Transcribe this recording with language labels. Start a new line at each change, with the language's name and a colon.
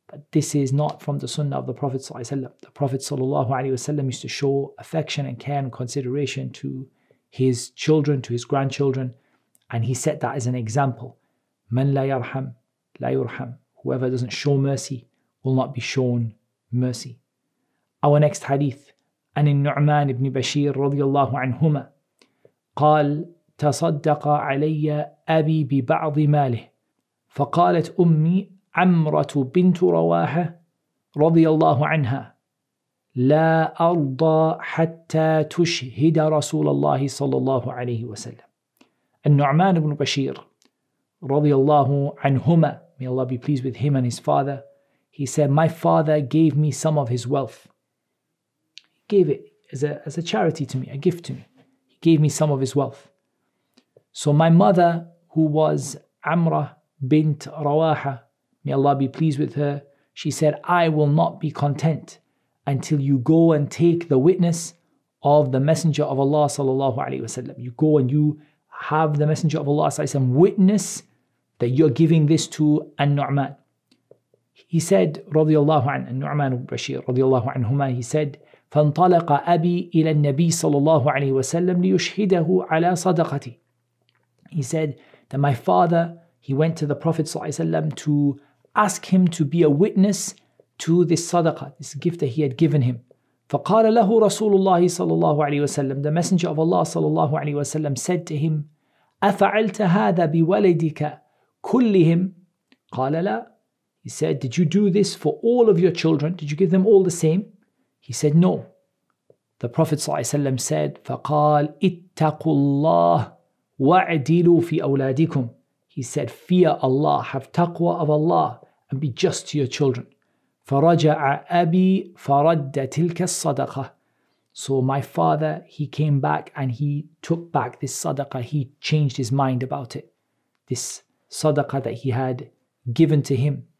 English: This is not from the sunnah of the Prophet ﷺ. The Prophet ﷺ used to show affection and care and consideration to his children, to his grandchildren, and he set that as an example.
Arabic: من لا يرحم لا يرحم.
English: Whoever doesn't show mercy will not be shown mercy. Our next hadith.
Arabic: عن النعمان بن بشير رضي الله عنهما قال تصدق علي أبي ببعض ماله فقالت أمي عمرة بنت رواحة رضي الله عنها لا أرضى حتى تشهد رسول الله صلى الله عليه وسلم.
English: النعمان بن بشير
Arabic: رضي الله عنهما,
English: may Allah be pleased with him and his father, he said, my father gave me some of his wealth. He gave it as a charity to me, a gift to me. He gave me some of his wealth. So my mother, who was Amra bint Rawaha, may Allah be pleased with her, she said, I will not be content until you go and take the witness of the Messenger of Allah sallallahu alaihi wasallam. You go and you have the Messenger of Allah sallallahu alaihi wasallam witness that you're giving this to An-Nu'man.
Arabic: He said, رضي الله عن النعمان بشير رضي الله عنهما, he said, فانطلق أبي إلى النبي صلى الله عليه وسلم ليشهده على صدقتي.
English: He said that my father, he went to the Prophet صلى الله عليه وسلم to ask him to be a witness to this sadaqah, this gift that he had given him.
Arabic: فقال له رسول الله صلى الله عليه وسلم,
English: the messenger of Allah صلى الله عليه وسلم said to him,
Arabic: أفعلت هذا بولدك كلهم؟ قال لا.
English: He said, did you do this for all of your children? Did you give them all the same? He said, no. The Prophet صلى الله عليه وسلم said,
Arabic: فقال اتقوا الله واعدلوا في أولادكم.
English: He said, fear Allah, have taqwa of Allah, and be just to your children.
Arabic: فرجع أبي فرد تلك الصدقة.
English: So my father, he came back and he took back this sadaqah. He changed his mind about it. This sadaqah that he had given to him.